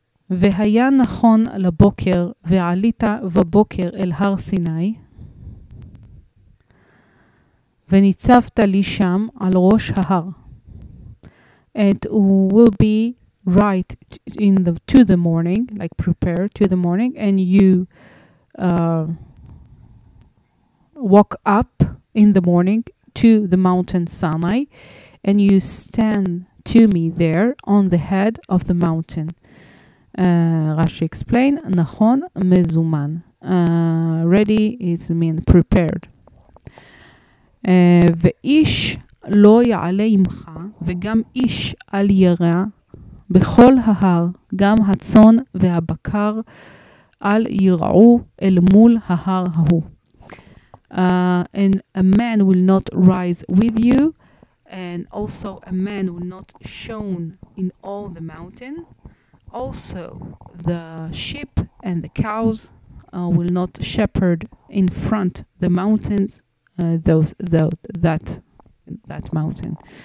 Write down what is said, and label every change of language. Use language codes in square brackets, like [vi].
[he] והיה נכון לבוקר, ועלית בבוקר אל הר סיני, וניצבת לי שם על ראש ההר. [en] It will be right in the to the morning, like prepare to the morning, and you walk up in the morning to the mountain Sinai, and you stand to me there on the head of the mountain. Rashi explain, [he] nachon mezuman, [en] ready is mean prepared. [he] ואיש לא יעלה עמך, וגם איש אל ירא בכל ההר, גם הצון והבקר אל יראו אל מול ההר ההוא. [en] And a man will not rise with you, and also a man will not shone in all the mountain. Also the sheep and the cows will not shepherd in front the mountains, that mountain.